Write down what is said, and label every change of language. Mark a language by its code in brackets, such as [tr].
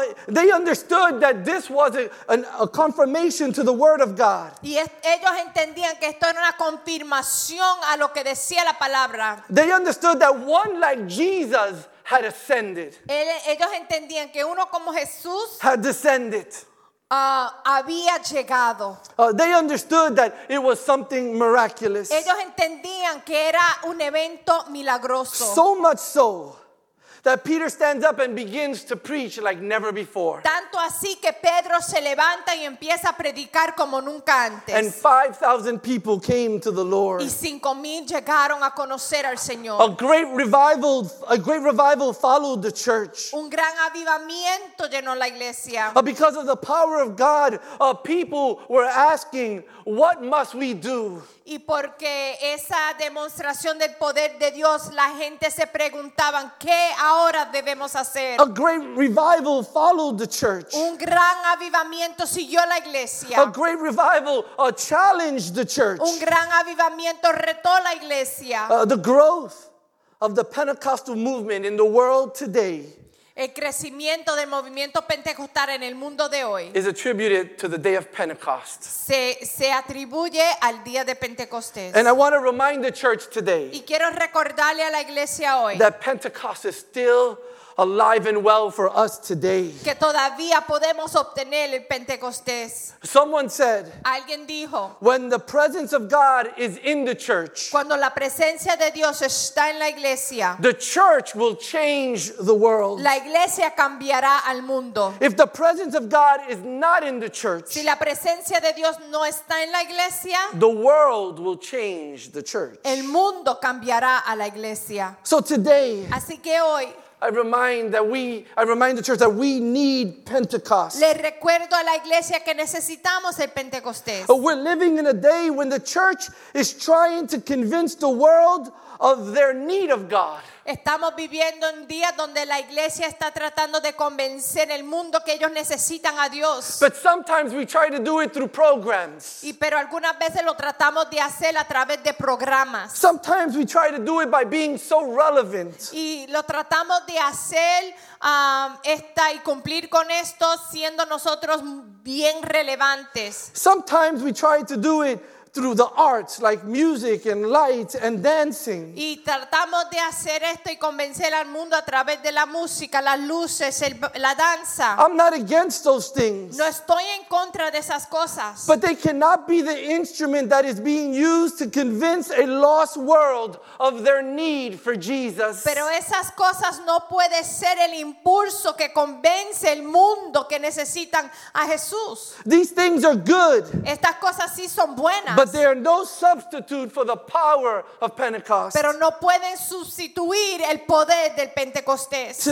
[en] They understood that this was a confirmation to the word of God. [es] Y ellos entendían que esto era una confirmación a lo que decía la palabra. [en] They understood that one like Jesus had ascended. [es] Ellos entendían que uno como Jesús [en] had descended. [es] Había llegado. [en] They understood that it was something miraculous. [es] Ellos entendían que era un evento milagroso. [en] So much so that Peter stands up and begins to preach like never before. [es] Tanto así que Pedro se levanta y empieza a predicar como nunca antes. [en] And 5,000 people came to the Lord. [es] Y 5,000 llegaron a conocer al Señor. [en] A great revival followed the church. [es] Un gran avivamiento llenó la iglesia. [en] Because of the power of God, people were asking, "What must we do?" [es] Y porque esa demostración del poder de Dios, la gente se preguntaban, ¿qué ahora debemos hacer? [en] A great revival followed the church. [es] Un gran avivamiento siguió la iglesia. [en] A great revival challenged the church. [es] Un gran avivamiento retó la iglesia. [en] The growth of the Pentecostal movement in the world today. [es] El crecimiento del movimiento pentecostal en el mundo de hoy [en] is attributed to the day of Pentecost. [es] Se atribuye al día de Pentecostés. [en] And I want to remind the church today, [es] y quiero recordarle a la iglesia hoy, [en] that Pentecost is still alive and well for us today. [es] Que todavía podemos obtener el Pentecostés. [en] Someone said, [es] alguien dijo, [en] when the presence of God is in the church, [es] cuando la presencia de Dios está en la iglesia, [en] the church will change the world. [es] La iglesia cambiará al mundo. [en] If the presence of God is not in the church, [es] si la presencia de Dios no está en la iglesia, [en] the world will change the church. [es] El mundo cambiará a la iglesia. [en] So today, [es] así que hoy, [en] I remind the church that we need Pentecost. [es] Le recuerdo a la iglesia que necesitamos el Pentecostés. [en] But we're living in a day when the church is trying to convince the world of their need of God. [es] Estamos viviendo un día donde la iglesia está tratando de convencer el mundo que ellos necesitan a Dios. [en] But sometimes we try to do it through programs. [es] Y pero algunas veces lo tratamos de hacer a través de programas. [en] Sometimes we try to do it by being so relevant. [es] Y lo tratamos de hacer esta y cumplir con esto siendo nosotros bien relevantes. [en] Sometimes we try to do it through the arts like music and light and dancing. [es] Y tratamos de hacer esto y convencer al mundo a través de la música, las luces, la danza. [en] I'm not against those things. [es] No estoy en contra de esas cosas. [en] But they cannot be the instrument that is being used to convince a lost world of their need for Jesus. [es] Pero esas cosas no puede ser el impulso que convence el mundo que necesitan a Jesús. [en] These things are good. [es] Estas cosas sí son buenas. [en] But they are no substitute for the power of Pentecost. [es] Pero no pueden sustituir el poder del Pentecostés.